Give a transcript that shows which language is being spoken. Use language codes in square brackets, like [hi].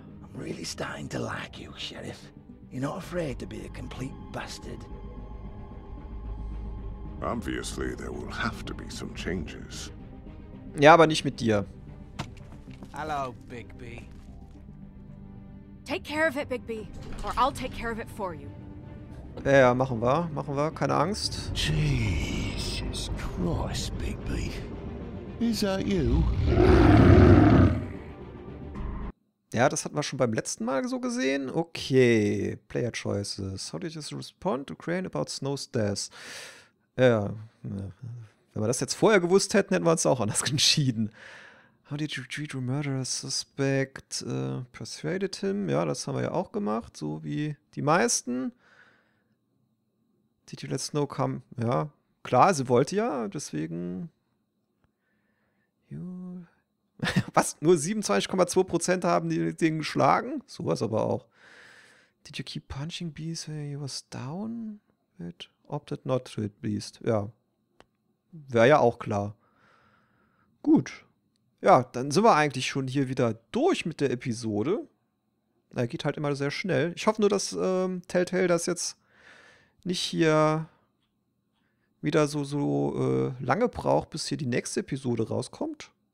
[en] I'm really starting to like you, Sheriff. You're not afraid to be a complete bastard. Obviously, there will have to be some changes. [de] Ja, aber nicht mit dir. [en] Hello, Bigby. Take care of it, Bigby, or I'll take care of it for you. [de] Ja, machen wir, keine Angst. [en] Jesus Christ, Bigby. Is that you? [de] Ja, das hatten wir schon beim letzten Mal so gesehen. [en] Okay, Player Choices. How do you just respond to Crane about Snow's death? [de] Ja, wenn wir das jetzt vorher gewusst hätten, hätten wir uns auch anders entschieden. [en] How did you treat a murderer suspect? Persuaded him? [de] Ja, das haben wir ja auch gemacht, so wie die meisten. [en] Did you let Snow come? [de] Ja, klar, sie wollte ja, deswegen. You. Was? Nur 27,2% haben die den geschlagen? Sowas aber auch. [en] Did you keep punching beast when he was down? It opted not to hit beast. [de] Ja. Wäre ja auch klar. Gut. Ja, dann sind wir eigentlich schon hier wieder durch mit der Episode. Er geht halt immer sehr schnell. Ich hoffe nur, dass Telltale das jetzt nicht hier wieder so lange braucht, bis hier die nächste Episode rauskommt.